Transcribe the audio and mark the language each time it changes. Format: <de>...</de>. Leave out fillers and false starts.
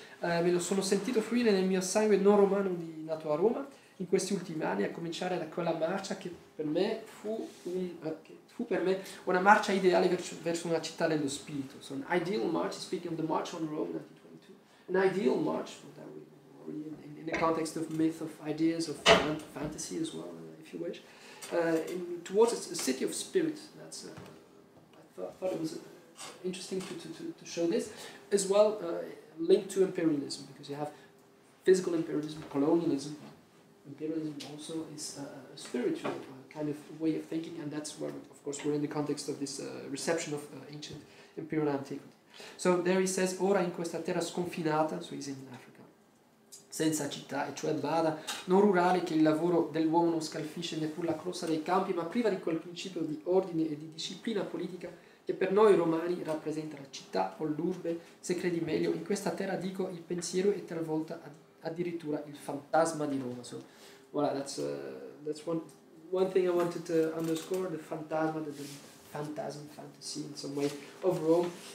<it>Me lo sono sentito fluire nel mio sangue non romano di nato a Roma in questi ultimi anni, a cominciare da quella marcia che per me fu una marcia ideale verso una città dello spirito.</it> <en>So an ideal march, speaking of the march on Rome 1922, an ideal march for that we already in the context of myth, of ideas, of fantasy as well, if you wish, towards a city of spirit. That's I thought it was interesting to show this, as well linked to imperialism, because you have physical imperialism, colonialism. Imperialism also is a spiritual kind of way of thinking, and that's where, of course, we're in the context of this reception of ancient imperial antiquity.</en> <it>So there he says, ora in questa terra sconfinata,</it> <en>so he's in Africa,</en> <it>senza città, e cioè bada, non rurale che il lavoro dell'uomo non scalfisce neppure la crosta dei campi, ma priva di quel principio di ordine e di disciplina politica che per noi romani rappresenta la città o l'urbe, se credi meglio, in questa terra dico il pensiero e talvolta addirittura il fantasma di Roma.</it> <en>So, voilà, that's one thing I wanted to underscore, the fantasma, the phantasm, fantasy in some way, of Rome.</en>